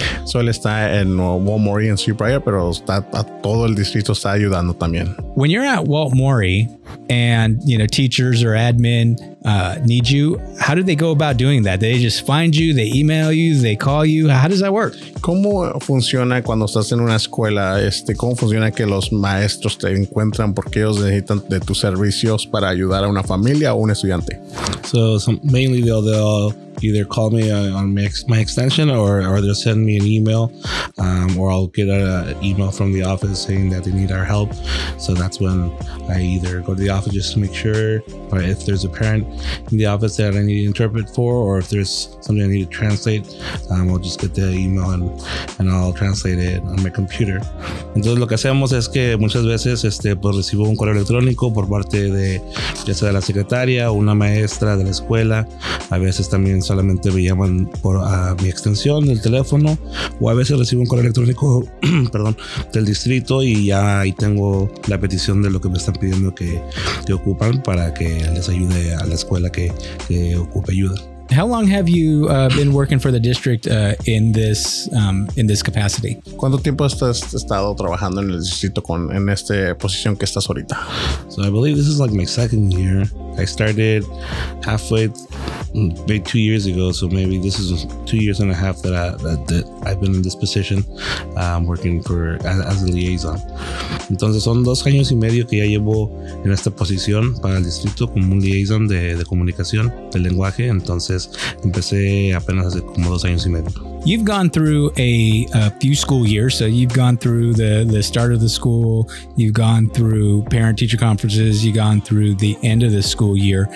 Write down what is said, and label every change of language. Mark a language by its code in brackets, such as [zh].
[es] So él está en Walt Morey and Sweetbriar, pero está a todo el distrito está ayudando también. [en] When you're at Walt Morey and, you know, teachers or admin need you, how do they go about doing that? They just find you, they email you, they call you. How does that work? [es] ¿Cómo funciona cuando estás en una escuela? ¿Cómo funciona que los maestros te encuentran porque ellos necesitan de tus servicios para ayudar a una familia o un estudiante? [en] So mainly they'll either call me on my extension or they'll send me an email or I'll get an email from the office saying that they need our help. So that's when I either go to the office just to make sure, or if there's a parent in the office that I need to interpret for, or if there's something I need to translate, I'll just get the email and I'll translate it on my computer. [es] Entonces lo que hacemos es que muchas veces pues recibo un correo electrónico por parte de ya sea la secretaria o una maestra de la escuela. A veces también solamente me llaman por mi extensión del teléfono, o a veces recibo un correo electrónico perdón, del distrito y ya ahí tengo la petición de lo que me están pidiendo que ocupan para que les ayude a la escuela que ocupe ayuda. [en] How long have you been working for the district in this capacity? [es] ¿Cuánto tiempo has estado trabajando en el distrito en esta posición que estás ahorita? [en] So I believe this is like my second year. I started halfway, maybe 2 years ago. So maybe this is 2 years and a half that I've been in this position, working for as a liaison. [es] Entonces son 2 años y medio que ya llevo en esta posición para el distrito como un liaison de comunicación del lenguaje. Entonces empecé apenas hace como 2 años y medio. [en] You've gone through a few school years, so you've gone through the start of the school, you've gone through parent-teacher conferences, you've gone through the end of the school year.